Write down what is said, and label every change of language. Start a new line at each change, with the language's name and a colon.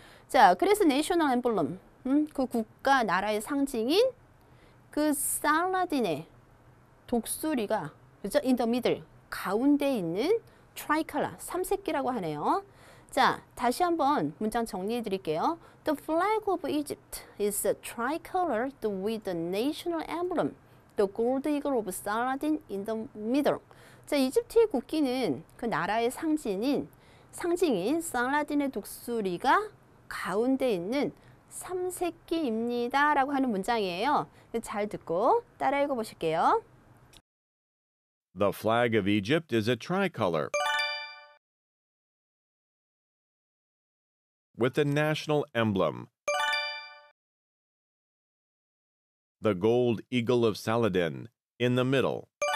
Korean: 자, 그래서 national emblem, 그 국가 나라의 상징인 그 살라딘의 독수리가 그죠?
English: In the middle,
Korean: 가운데 있는 tricolor, 삼색기라고 하네요. 자, 다시 한번 문장 정리해 드릴게요.
English: The flag of Egypt is a tricolor with the national emblem, the gold eagle of Saladin in the middle.
Korean: 자, 이집트의 국기는 그 나라의 상징인 살라딘의 독수리가 가운데 있는 삼색기입니다. 라고 하는 문장이에요. 잘 듣고 따라 읽어 보실게요.
English: The flag of Egypt is a tricolor with a national emblem. The gold eagle of Saladin in the middle.